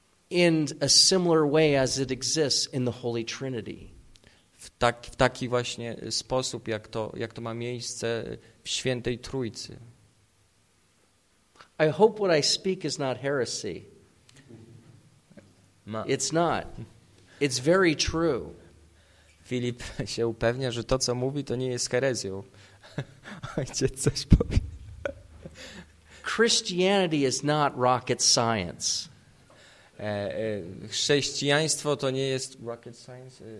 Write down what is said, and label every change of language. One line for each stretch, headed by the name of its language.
English: In a similar way as it exists in the Holy Trinity.
Polish: W taki właśnie sposób, jak to ma miejsce w Świętej Trójcy.
English: I hope what I speak is not heresy. It's not. It's very true.
Polish: Filip się upewnia, że to, co mówi, to nie jest herezją. Ojciec coś powie.
English: Christianity is not rocket science.
Polish: Chrześcijaństwo to nie jest
English: rocket science.